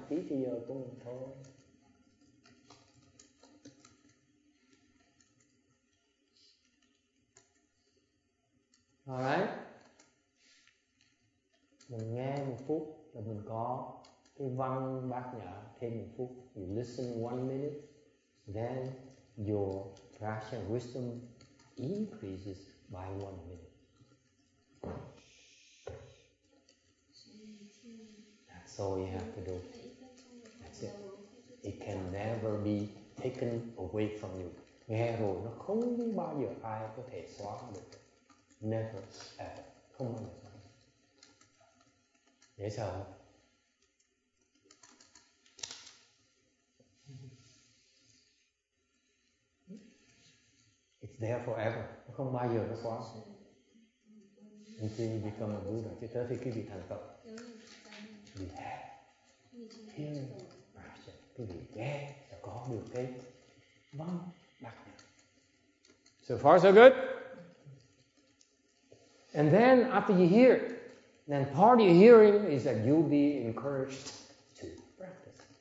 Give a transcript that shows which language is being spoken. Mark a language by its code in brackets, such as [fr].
[vi] Tí thì giờ cũng thôi. [en] Alright. [vi] Mình nghe một phút là mình có cái văn bát nhã thêm một phút. [en] You listen 1 minute, then your prasya wisdom increases by 1 minute. That's all you have to do. That's it. It can never be taken away from you. [vi] Nghe rồi nó không bao giờ ai có thể xóa được. [en] Never ever. [vi] Không bao giờ. Dễ sợ. [en] There forever, [vi] nó không bao giờ nó xóa. [en] Until you become a Buddha, [vi] chứ tới khi quý vị thành Phật. [en] We have hearing prasya, [vi] quý vị nghe là có được cái văn bạc. [en] So far so good. And then after you hear, then part of your hearing is that you'll be encouraged to practice.